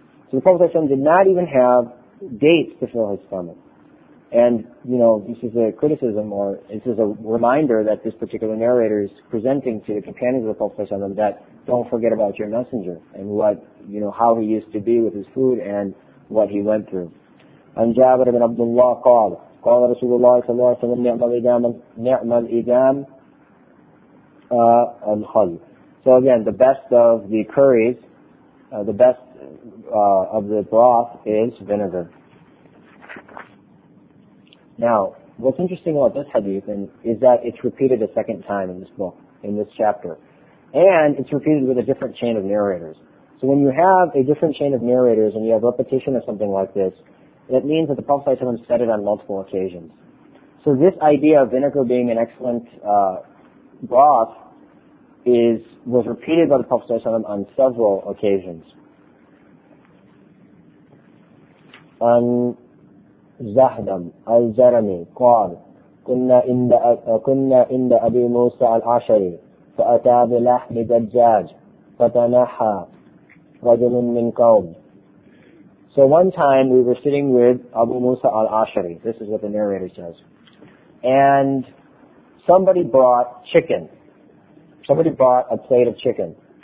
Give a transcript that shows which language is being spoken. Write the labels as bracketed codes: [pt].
[en] So the Prophet ﷺ did not even have dates to fill his stomach. And, you know, this is a criticism, or this is a reminder that this particular narrator is presenting to the companions of the Prophet ﷺ, that don't forget about your messenger, and what, you know, how he used to be with his food, and what he went through. [ar] عن جابر بن عبد الله قال قال رسول الله صلى الله عليه وسلم نعم الإدام نعم الإدام الخل. [en] So again, the best of the curries, the best of the broth is vinegar. Now, what's interesting about this hadith is that it's repeated a second time in this book, in this chapter. And it's repeated with a different chain of narrators. So when you have a different chain of narrators and you have repetition of something like this, it means that the Prophet ﷺ said it on multiple occasions. So this idea of vinegar being an excellent broth was repeated by the Prophet ﷺ on several occasions. [ar] عن زهدم الزرمي قال كنا عند أبي موسى العشري فأتى بلحم دجاج فتنحى رجل من قوم. [en] So one time we were sitting with Abu Musa al-Ashari. This is what the narrator says. And somebody brought chicken. Somebody brought a plate of chicken.